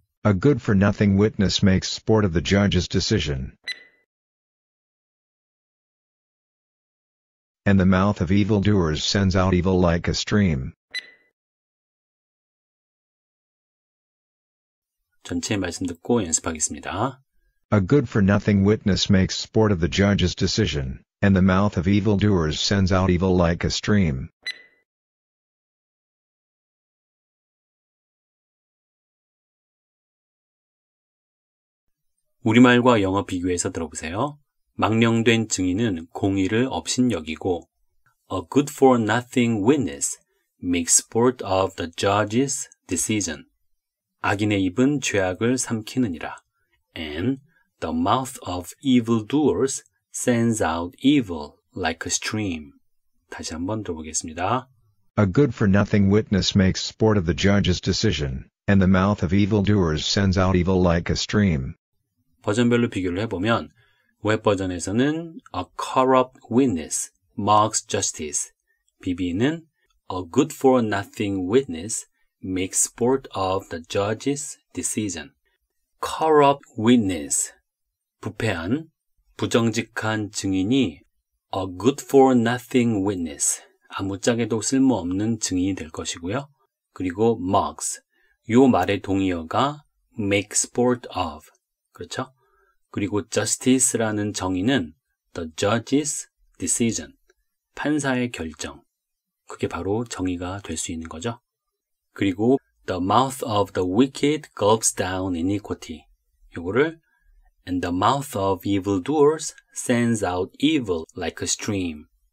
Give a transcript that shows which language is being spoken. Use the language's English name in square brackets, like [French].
[English] A good-for-nothing witness makes sport of the judge's decision. And the mouth of evildoers sends out evil like a stream. [Korean] 전체 말씀 듣고 연습하겠습니다. [English] A good-for-nothing witness makes sport of the judge's decision, and the mouth of evildoers sends out evil like a stream. [Korean] 우리말과 영어 비교해서 들어보세요. 망령된 증인은 공의를 업신여기고, [English] A good-for-nothing witness makes sport of the judge's decision. [Korean] 악인의 입은 죄악을 삼키느니라. [English] And the mouth of evildoers sends out evil like a stream. [Korean] 다시 한번 들어보겠습니다. [English] A good-for-nothing witness makes sport of the judge's decision, and the mouth of evildoers sends out evil like a stream. [Korean] 버전별로 비교를 해보면 웹 버전에서는 [English] A corrupt witness mocks justice. BB는 A good-for-nothing witness makes sport of the judge's decision. [Korean] Corrupt witness, 부패한, 부정직한 증인이 [English] A good-for-nothing witness, [Korean] 아무짝에도 쓸모없는 증인이 될 것이고요. 그리고 mocks, 요 말의 동의어가 [English] make sport of, [Korean] 그렇죠? 그리고 justice라는 정의는 [English] the judge's decision, [Korean] 판사의 결정. 그게 바로 정의가 될 수 있는 거죠. 그리고 [English] the mouth of the wicked gulps down iniquity. [Korean] 요거를 [English] and the mouth of evildoers sends out evil like a stream.